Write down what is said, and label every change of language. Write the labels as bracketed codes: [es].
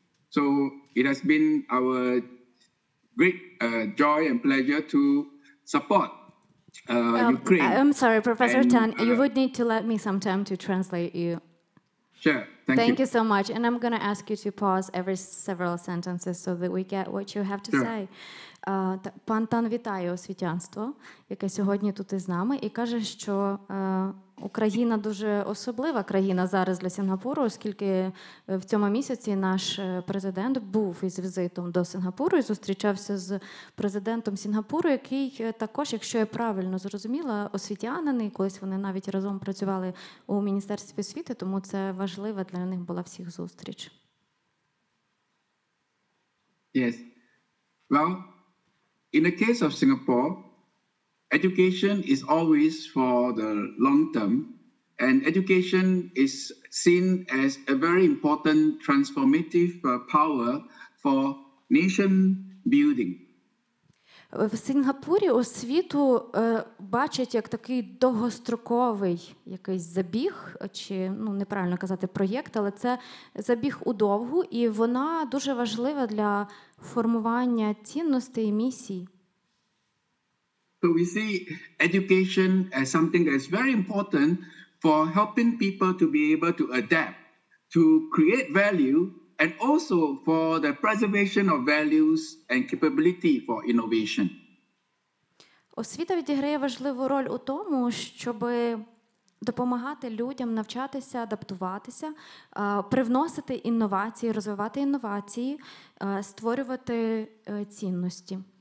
[en] So it has been our great joy and pleasure to support Ukraine. I'm sorry, Professor Tan, you would need to let me some time to translate you. Sure, thank you. Thank you so much. And I'm going to ask you to pause every several sentences so that we get what you have to say. [uk] Пан Тан вітає освітянство, яке сьогодні тут із нами, і каже, що Україна дуже особлива країна зараз для Сінгапуру, оскільки в цьому місяці наш президент був із візитом до Сінгапуру і зустрічався з президентом Сінгапуру, який також, якщо я правильно зрозуміла, освітянин, і колись вони навіть разом працювали у Міністерстві освіти, тому це важлива для них була всіх зустріч. Yes. [en] Well, in the case of Singapore, education is always for the long term, and education is seen as a very important transformative power for nation building. [uk] В Сінгапурі освіту бачать як такий довгостроковий якийсь забіг, чи, ну, неправильно казати проєкт, але це забіг у довгу, і вона дуже важлива для формування цінностей і місій. [en] So we see education as something that is very important for helping people to be able to adapt, to create value, and also for the preservation of values and capability for innovation. [uk] Освіта відіграє важливу роль у тому, щоб допомагати людям навчатися, адаптуватися, привносити інновації, розвивати інновації, створювати цінності.